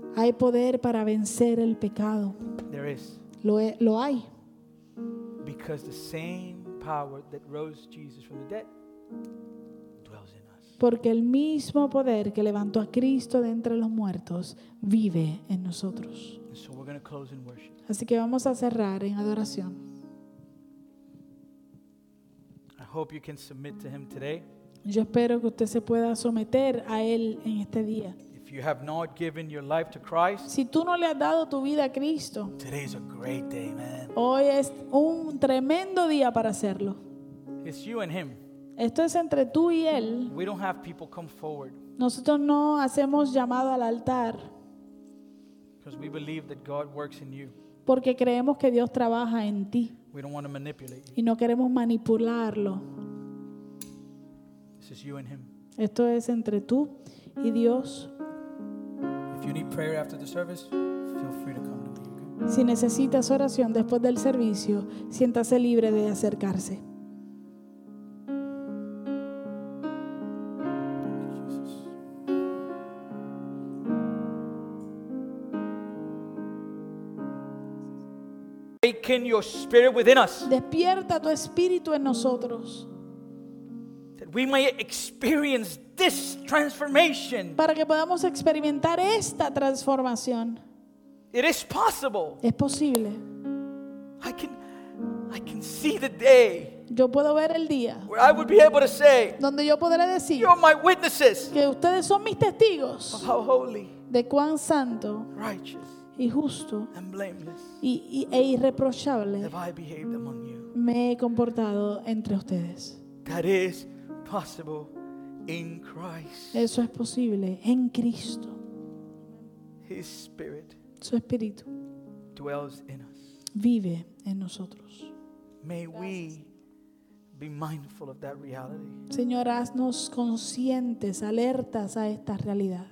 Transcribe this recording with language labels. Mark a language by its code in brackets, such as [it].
[es] Hay poder para vencer el pecado. [en] There is. [es] Lo hay. [en] Because the same power that rose Jesus from the dead dwells in us. [es] Porque el mismo poder que levantó a Cristo de entre los muertos vive en nosotros. [en] So we're going to close in worship. [es] Así que vamos a cerrar en adoración. [en] I hope you can submit to Him today. [es] Yo espero que usted se pueda someter a Él en este día. [en] If you have not given your life to Christ, [es] si tú no le has dado tu vida a Cristo, [en] today is a great day, man. [es] Hoy es un tremendo día para hacerlo. [en] It's you and Him. [es] Esto es entre tú y Él. [en] We don't have people come forward. [es] Nosotros no hacemos llamado al altar. [en] Because we believe that God works in you. [es] Porque creemos que Dios trabaja en ti. [en] We don't want to manipulate you. [es] Y no queremos manipularlo. [en] This is you and Him. [es] Esto es entre tú y Dios. [en] If you need prayer after the service, feel free to come to me. [es] Si necesitas oración después del servicio, siéntase libre de acercarse. [en] Awaken your spirit within us. [es] Despierta tu espíritu en nosotros. [en] That we may experience this transformation. [es] Para que podamos experimentar esta transformación. [en] It is possible. [es] Es posible. [en] I can see the day. [es] Yo puedo ver el día. [en] Where I would be able to say. [es] Donde yo podré decir. [en] You're my witnesses. [es] Que ustedes son mis testigos. [en] Of how holy. [es] De cuán santo. [en] Righteous. [es] Y justo [en] and blameless, [es] e irreprochable [en] have I behaved among you. [es] Me he comportado entre ustedes. [en] That is possible in Christ. [es] Eso es posible en Cristo. [en] His spirit, [es] su espíritu, [en] dwells in us. [es] Vive en nosotros. [en] May we be mindful of that reality. [es] Señor, haznos conscientes, alertas a esta realidad.